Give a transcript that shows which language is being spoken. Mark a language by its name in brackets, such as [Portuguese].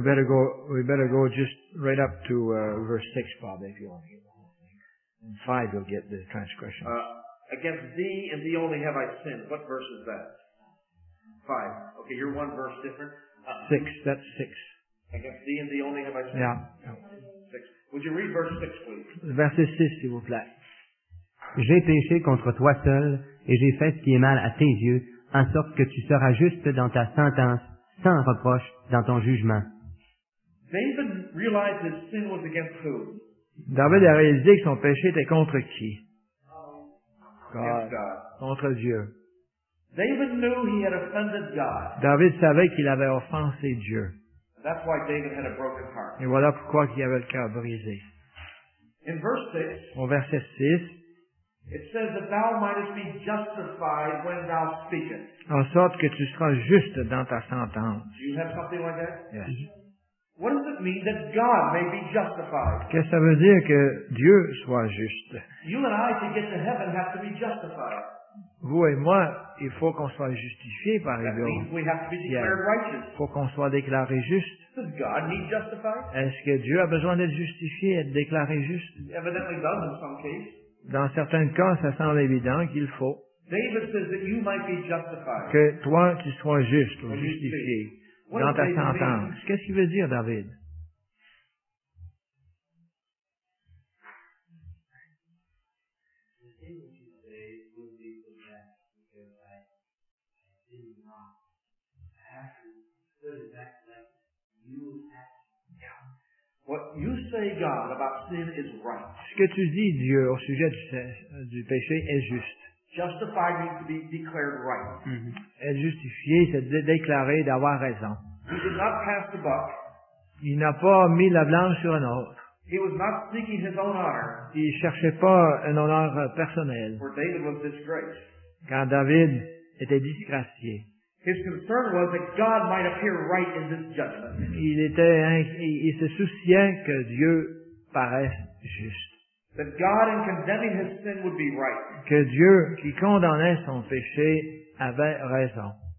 [English] We better go just right up to verse 6, Bob, if you want to hear the whole thing. And 5 you'll get the transgressions. Against thee and thee only have I sinned. What verse is that? 5. Okay, you're one verse different. 6. That's 6. Against thee and thee only have I sinned. Yeah. 6. Would you read verse 6, please? [French] Verset 6, s'il vous plaît. J'ai péché contre toi seul et j'ai fait ce qui est mal à tes yeux, en sorte que tu seras juste dans ta sentence, sans reproche dans ton jugement. [English] David realized his sin was against who? [French] David a réalisé que son péché était contre qui? [English] God. [French] Contre Dieu. [English] David knew he had offended God. [French] David savait qu'il avait offensé Dieu. [English] That's why David had a broken heart. [French] Et voilà pourquoi il avait le cœur brisé. [English] In verse 6, [French] au verset 6, [English] it says that thou mightest be justified when thou speakest. [French] En sorte que tu seras juste dans ta sentence. [English] Do you have something like that? Yes. What does it mean that God may be justified? [French] Qu'est-ce que ça veut dire que Dieu soit juste? [English] You and I, to get to heaven, have to be justified. [French] Vous et moi, il faut qu'on soit justifié par les deux. [English] We have to be declared righteous. [French] Faut qu'on soit déclaré juste. [English] Does God need justified? [French] Est-ce que Dieu a besoin d'être justifié, d'être déclaré juste? [English] He evidently does in some cases. [French] Dans certains cas, ça semble évident qu'il faut [English] David says that you might be justified. [French] Que toi, tu sois juste ou justifié dans ta sentence. Qu'est-ce qu'il veut dire, David? [English] What you say, God, about sin is right. [French] Ce que tu dis, Dieu, au sujet du péché est juste. [English] Justified means to be declared right. [French] Être justifié, c'est déclarer d'avoir raison. [English] He did not pass the buck. [French] Il n'a pas mis la blanche sur un autre. [English] He was not seeking his own honor. [French] Il cherchait pas un honneur personnel. [English] For David was disgraced. [French] Car David était disgracié. [English] His concern was that God might appear right in this judgment. [French] Il se souciait que Dieu paraisse juste. [English] That God in condemning his sin would be right. [French] Que Dieu qui condamnait son péché avait raison.